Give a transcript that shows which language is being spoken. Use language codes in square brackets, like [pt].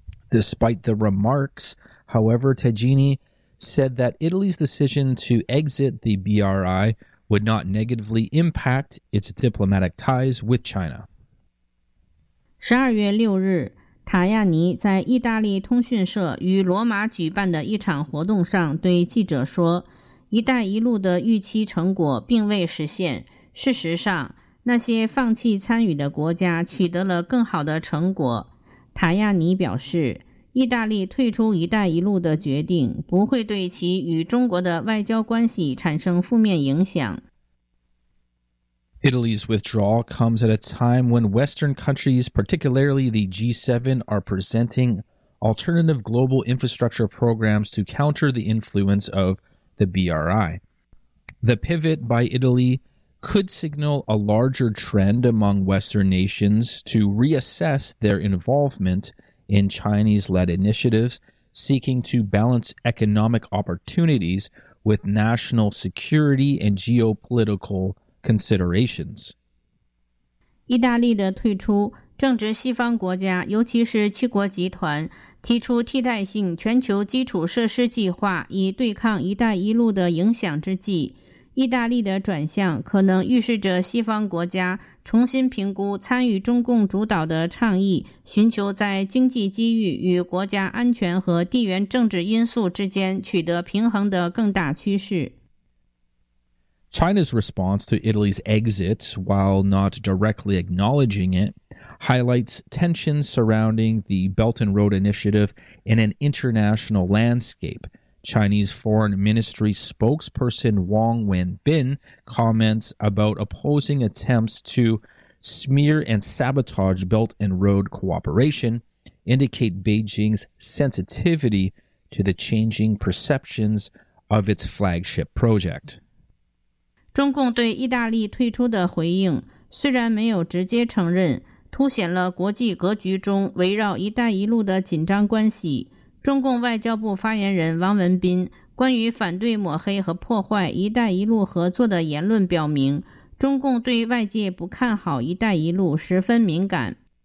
[en] Despite the remarks, however, Tajani said that Italy's decision to exit the BRI would not negatively impact its diplomatic ties with China. [zh] 12月6日，塔亚尼在意大利通讯社与罗马举办的一场活动上对记者说，一带一路的预期成果并未实现。事实上，那些放弃参与的国家取得了更好的成果。塔亚尼表示，意大利退出一带一路的决定不会对其与中国的外交关系产生负面影响。 [en] Italy's withdrawal comes at a time when Western countries, particularly the G7, are presenting alternative global infrastructure programs to counter the influence of the BRI. The pivot by Italy could signal a larger trend among Western nations to reassess their involvement in Chinese-led initiatives seeking to balance economic opportunities with national security and geopolitical considerations. [zh] 意大利的退出正值西方国家，尤其是七国集团提出替代性全球基础设施计划以对抗一带一路的影响之际。意大利的转向可能预示着西方国家重新评估参与中共主导的倡议，寻求在经济机遇与国家安全和地缘政治因素之间取得平衡的更大趋势。 [en] China's response to Italy's exit, while not directly acknowledging it, highlights tensions surrounding the Belt and Road Initiative in an international landscape. Chinese Foreign Ministry spokesperson Wang Wenbin comments about opposing attempts to smear and sabotage Belt and Road cooperation indicate Beijing's sensitivity to the changing perceptions of its flagship project. [zh] 中共对意大利退出的回应虽然没有直接承认，凸显了国际格局中围绕“一带一路”的紧张关系。中共外交部发言人王文斌关于反对抹黑和破坏一带一路合作的言论表明，中共对外界不看好一带一路十分敏感。